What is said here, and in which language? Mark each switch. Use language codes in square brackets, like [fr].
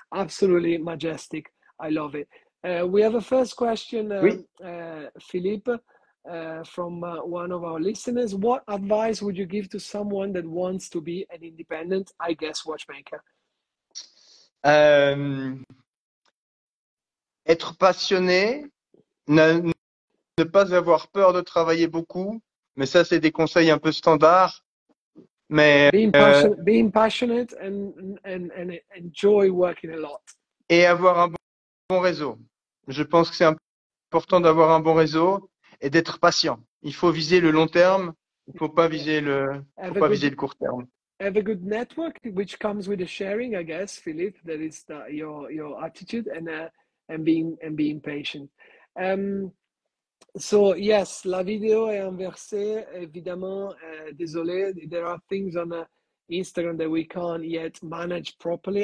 [en] Absolutely majestic. I love it. We have a first question, Philippe. From one of our listeners, what advice would you give to someone that wants to be an independent, I guess, watchmaker? [fr] Être passionné, ne pas avoir peur de travailler beaucoup, mais ça, c'est des conseils un peu standards. Mais [en] being passionate and enjoy working a lot. [fr] Et avoir un bon réseau. Je pense que c'est important d'avoir un bon réseau. Et d'être patient. Il faut viser le long terme. Il ne faut pas viser le court terme. [en] Have a good network, which comes with the sharing, I guess, Philippe. That is your attitude and being patient. So yes, [fr] la vidéo est inversée. Évidemment, désolé. [en] There are things on Instagram that we can't yet manage properly.